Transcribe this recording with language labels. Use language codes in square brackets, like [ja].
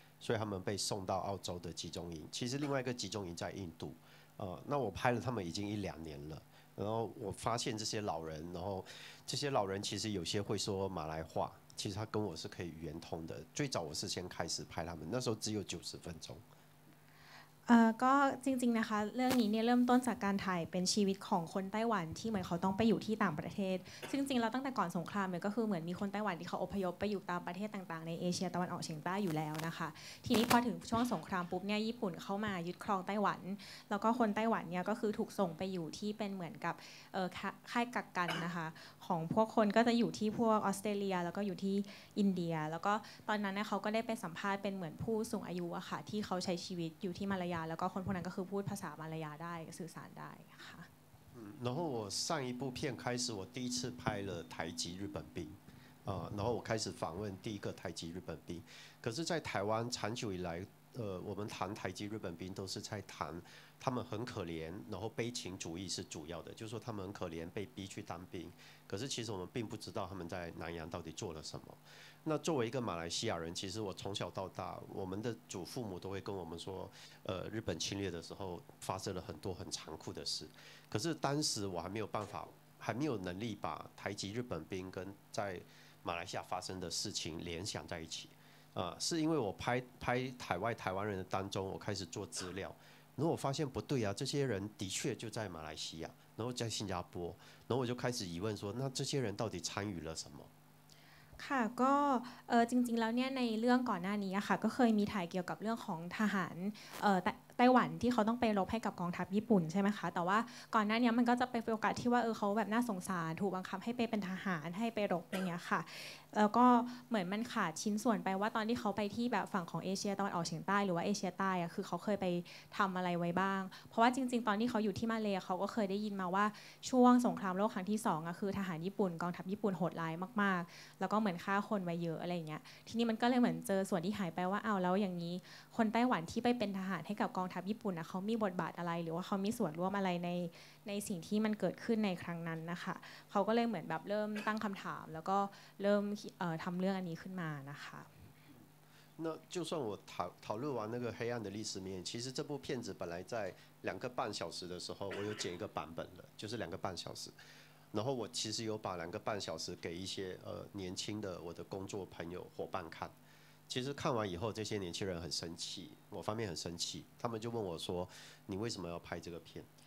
[zh] 所以他们被送到澳洲的集中营，其实另外一个集中营在印度，那我拍了他们已经一两年了，然后我发现这些老人，然后这些老人其实有些会说马来话，其实他跟我是可以语言通的。最早我是先开始拍他们，那时候只有90分钟。 [th] ก็จริงๆนะคะเรื่องนี้เนี่ยเริ่มต้นจากการถ่ายเป็นชีวิตของคนไต้หวันที่เหมือนเขาต้องไปอยู่ที่ต่างประเทศซึ่งจริงๆแล้วตั้งแต่ก่อนสงครามเนี่ยก็คือเหมือนมีคนไต้หวันที่เขาอพยพไปอยู่ตามประเทศต่างๆในเอเชียตะวันออกเฉียงใต้อยู่แล้วนะคะทีนี้พอถึงช่วงสงครามปุ๊บเนี่ยญี่ปุ่นเข้ามายึดครองไต้หวันแล้วก็คนไต้หวันเนี่ยก็คือถูกส่งไปอยู่ที่เป็นเหมือนกับ ค่ายกักกันนะคะของพวกคนก็จะอยู่ที่พวกออสเตรเลียแล้วก็อยู่ที่อินเดียแล้วก็ตอนนั้นเนี่ยเขาก็ได้ไปสัมภาษณ์เป็นเหมือนผู้สูงอายุอะค่ะที่เขาใช้ชีวิตอยู่ที่มาลายาแล้วก็คนพวกนั้นก็คือพูดภาษามาลายาได้สื่อสารได้ค่ะ [zh] 然后我上一部片开始我第一次拍了台籍日本兵然后我开始访问第一个台籍日本兵可是在台湾长久以来我们谈台籍日本兵都是在谈他们很可怜然后悲情主义是主要的就是说他们很可怜被逼去当兵可是其实我们并不知道他们在南洋到底做了什么那作为一个马来西亚人其实我从小到大我们的祖父母都会跟我们说日本侵略的时候发生了很多很残酷的事可是当时我还没有办法还没有能力把台籍日本兵跟在马来西亚发生的事情联想在一起是因为我拍海外台湾人的当中我开始做资料然后我发现不对啊这些人的确就在马来西亚然后在新加坡然后我就开始疑问说那这些人到底参与了什么 [th] ค่ะก็จริงๆแล้วเนี่ยในเรื่องก่อนหน้านี้ค่ะก็เคยมีถ่ายเกี่ยวกับเรื่องของทหารไต้หวันที่เขาต้องไปรบให้กับกองทัพญี่ปุ่นใช่ไหมคะแต่ว่าก่อนหน้านี้มันก็จะไปโฟกัสที่ว่าเขาแบบน่าสงสารถูกบังคับให้ไปเป็นทหารให้ไปรบอย่างเงี้ยค่ะ แล้วก็เหมือนมันขาดชิ้นส่วนไปว่าตอนที่เขาไปที่แบบฝั่งของเอเชียตะวันออกเฉียงใต้หรือว่าเอเชียใต้อะคือเขาเคยไปทำอะไรไว้บ้างเพราะว่าจริงๆตอนที่เขาอยู่ที่มาเลเขาก็เคยได้ยินมาว่า ช่วงสงครามโลกครั้งที่สองอะคือทหารญี่ปุ่นกองทัพญี่ปุ่นโหดร้ายมากๆแล้วก็เหมือนฆ่าคนไว้เยอะอะไรเงี้ยทีนี้มันก็เลยเหมือนเจอส่วนที่หายไปว่าเอาแล้วอย่างนี้คนไต้หวันที่ไปเป็นทหารให้กับกองทัพญี่ปุ่นนะเขามีบทบาทอะไรหรือว่าเขามีส่วนร่วมอะไรในสิ่งที่มันเกิดขึ้นในครั้งนั้นนะคะเขาก็เลยเหมือนแบบเริ่มตั้งคำถามแล้วก็เริ่มทำเรื่องอันนี้ขึ้นมานะคะ [zh] 那就算我讨论完那个黑暗的历史面其实这部片子本来在两个半小时的时候我有剪一个版本了就是两个半小时然后我其实有把两个半小时给一些年轻的我的工作朋友伙伴看其实看完以后这些年轻人很生气我方面很生气他们就问我说你为什么要拍这个片